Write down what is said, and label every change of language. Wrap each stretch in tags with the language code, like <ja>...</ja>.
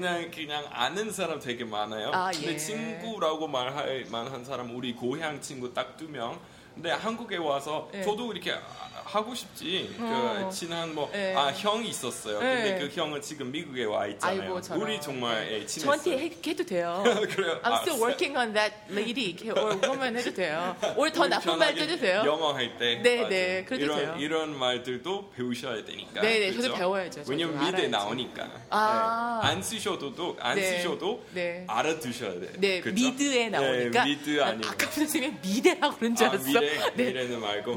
<ko>아니 그냥 아는 사람 되게 많아요. 아, 근데 예. 친구라고 말할 만한 사람 우리 고향 친구 딱 두 명. 근데 한국에 와서 예. 저도 이렇게 하고 싶지. 그 친한 뭐 예. 아, 형이 있었어요. 예. 근데 그 형은 지금 미국에 와 있잖아요. 아이고, 우리 정말 예. 예, 친했어요. 저한테 해도 돼요. 그래요?</ko> <en>I'm still working on that lady or woman</en> <ko>해도 돼요. 올 더 나쁜 말 해도 돼요. 영어 할 때. 네네. 네, 그래도 이런, 돼요. 이런 말들도 배우셔야 되니까. 네네. 그렇죠? 저도 배워야죠. 저도 왜냐면 미대 나오니까. 아. 네. 안 쓰셔도 안 네. 쓰셔도 네. 알아두셔야 돼요. 네. 그렇죠? 미드에 나오니까. 네. 미드 아니에요. 아까 선생님 미대라고 그런 줄 알았어. 네. 미래는 말고</ko>